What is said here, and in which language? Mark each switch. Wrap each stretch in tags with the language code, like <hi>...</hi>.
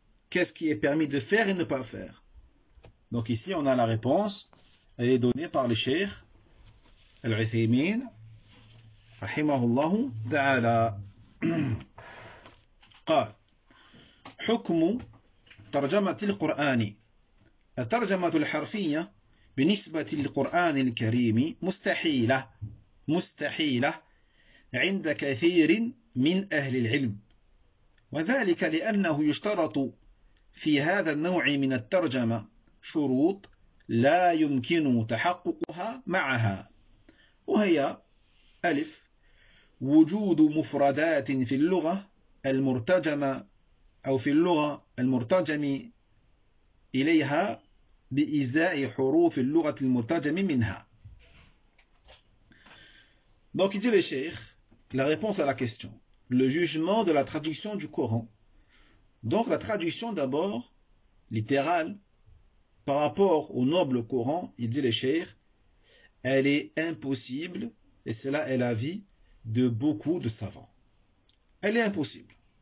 <fr>Qu'est-ce qui est permis de faire et ne pas faire? Donc ici, on a la réponse. Elle est donnée par le Cheikh Al-Uthaymeen,</fr> <ar>رحمه الله قال حكم ترجمة القرآن. الترجمة الحرفية بالنسبة للقرآن الكريم مستحيلة مستحيلة عند كثير من أهل العلم، وذلك لأنه يشترط في هذا النوع من الترجمة شروط لا يمكن تحققها معها، وهي ألف وجود مفردات في اللغة المرتجمة أو في اللغة المرتجم إليها بإزاء حروف اللغة المرتجم منها.</ar> <fr>Donc il dit le Cheikh, la réponse à la question, le jugement de la traduction du Coran. Donc la traduction d'abord, littérale, par rapport au noble Coran, il dit le Cheikh, elle est impossible, et cela est l'avis de beaucoup de savants. Elle est impossible.</fr>